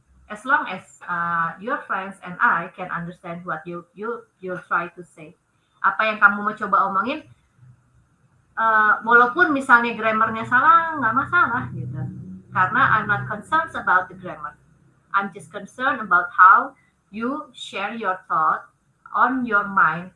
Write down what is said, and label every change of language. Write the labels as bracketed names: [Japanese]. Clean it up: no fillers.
[English] As long as your friends and I can understand what you try to say. [Indonesian] Apa yang kamu mau coba omongin, walaupun misalnya grammarnya salah, nggak masalah gitu. Karena [English] I'm not concerned about the grammar. I'm just concerned about how you share your thought on your mind.